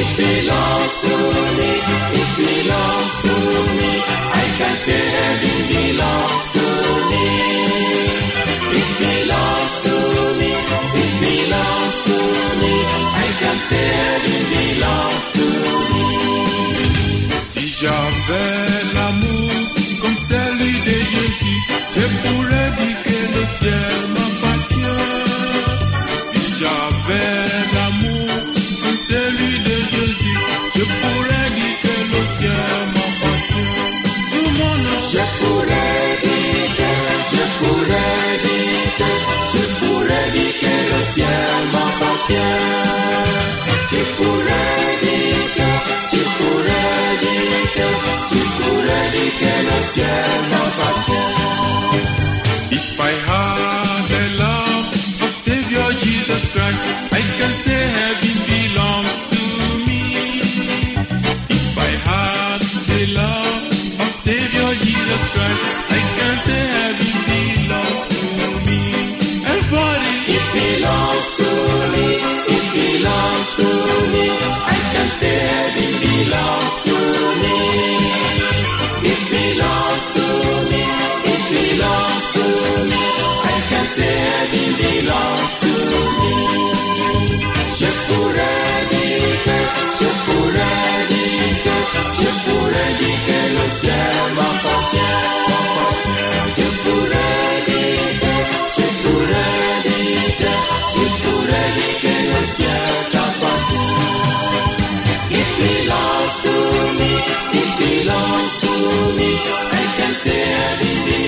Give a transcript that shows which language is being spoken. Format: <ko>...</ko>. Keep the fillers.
<en>It belongs to me. It belongs to me. I can say heaven belongs to me. It belongs to me. It belongs to me. I can say heaven belongs to me.</en> <fr>Si j'avais l'amour comme celui de Jésus, je pourrais dire que le ciel m'appartient. Si j'avais l'amour comme celui de Jésus, je pourrais dire que le ciel m'appartient. Tout mon Je pourrais dire que, je pourrais dire que, je pourrais dire que le ciel m'appartient. Tu pourrais dire que, tu pourrais dire que, tu pourrais dire que le ciel m'appartient.</fr> <en>If I had the love of Savior Jesus Christ, I can say heaven belongs to me. If I had the love of Savior Jesus Christ, I can say heaven belongs to me. Everybody, it belongs to me. It belongs to me. I can say heaven belongs to me. It belongs to me. It belongs to me. I can say heaven belongs to me.</en> <fr>Je pourrais dire que, je pourrais dire que, je pourrais dire que le ciel m'appartient. Je pourrais dire que, je pourrais dire que, je pourrais dire que le ciel t'appartient.</fr> <en>It belongs to me, it belongs to me. I can say it</en>